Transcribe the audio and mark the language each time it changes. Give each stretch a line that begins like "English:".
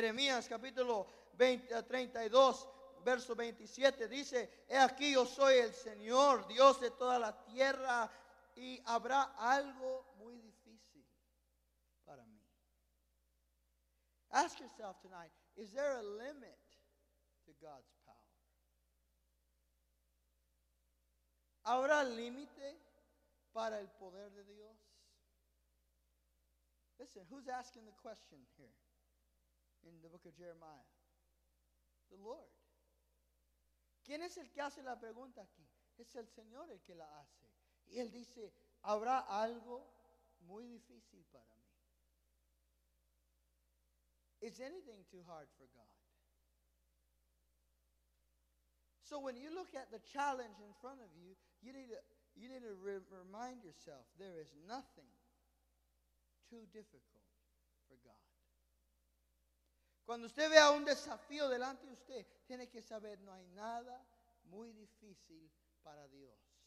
Spanish: Jeremías capítulo 32, verso 27 dice, he aquí yo soy el Señor, Dios de toda la tierra, y habrá algo muy difícil para mí.
English: Ask yourself tonight, is there a limit to God's power?
Spanish: ¿Habrá límite para el poder de Dios?
English: Listen, who's asking the question here in the book of Jeremiah? The Lord.
Spanish: ¿Quién es el que hace la pregunta aquí? Es el Señor el que la hace. Y él dice, habrá algo muy difícil para mí.
English: Is anything too hard for God? So when you look at the challenge in front of you, you need to remind yourself, there is nothing too difficult for God.
Spanish: Cuando usted vea un desafío delante de usted, tiene que saber, no hay nada muy difícil para Dios.